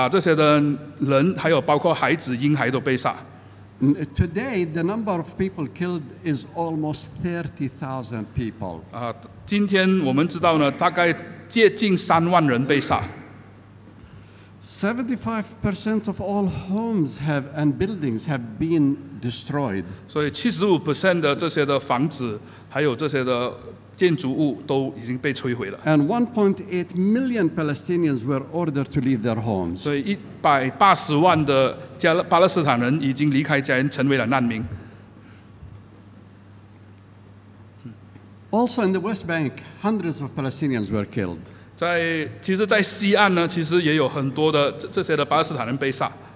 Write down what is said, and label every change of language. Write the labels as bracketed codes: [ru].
[zh] 其实有很多很多这些的基督啊，这些的人，还有包括孩子、婴孩都被杀。 [en] Today, the number of people killed is almost 30,000 people. [zh] 啊，今天我们知道呢，大概接近3万人被杀。 [en] 75% of all homes have and buildings have been destroyed. [zh] 75% 的这些的房子还有这些的建筑物都已经被摧毁了。 [en] And 1.8 million Palestinians were ordered to leave their homes. [zh] 所以180万的巴勒斯坦人已经离开家园，成为了难民。 [en] Also in the West Bank, hundreds of Palestinians were killed. [zh] 其实，在西岸呢，其实也有很多的这些的巴勒斯坦人被杀。